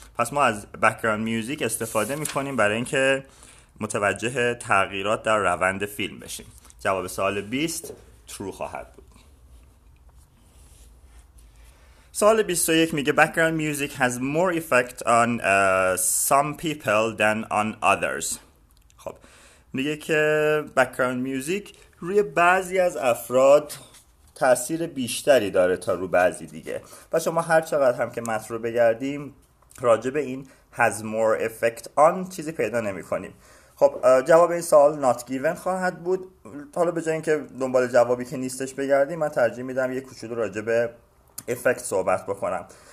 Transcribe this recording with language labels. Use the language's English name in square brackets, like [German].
[Persian] پس ما از background music استفاده میکنیم برای اینکه متوجه تغییرات در روند فیلم بشیم. جواب سوال 20 true خواهد بود. سوال 21 میگه [English] background music has more effect on some people than on others. [Persian] خب میگه که background music روی بعضی از افراد تأثیر بیشتری داره تا رو بعضی دیگه. و شما هر چقدر هم که متن رو بگردیم راجع به این [English] has more effect on [Persian] چیزی پیدا نمی کنیم. خب جواب این سوال [English] not given [Persian] خواهد بود. حالا به جای اینکه دنبال جوابی که نیستش بگردیم، من ترجیح میدم یه کوچولو راجع به effect صحبت بکنم.